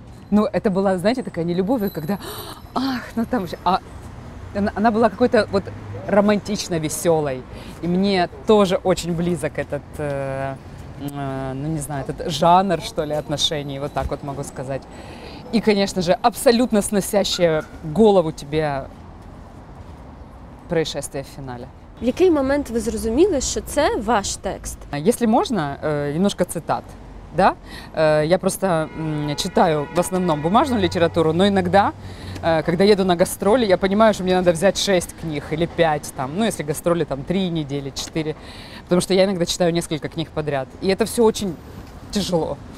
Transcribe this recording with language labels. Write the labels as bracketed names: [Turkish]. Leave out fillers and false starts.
[Russian] Ну, это была, знаете, такая не любовь, когда, ах, ну там же, а она была какой-то вот романтично веселой. И мне тоже очень близок этот, ну не знаю, этот жанр, что ли, отношений, вот так вот могу сказать. И, конечно же, абсолютно сносящее голову тебе происшествие в финале. [Ukrainian] В який момент ви зрозуміли, що це ваш текст? Якщо можна, немножко цитат. Да? [Russian] Я просто читаю в основном [Ukrainian] бумажну літературу, [Russian] но иногда, когда еду на гастроли, я понимаю, что мне надо взять 6 книг или 5, там, ну, если гастроли там 3 недели, 4, потому что я иногда читаю несколько книг подряд, и это все очень тяжело.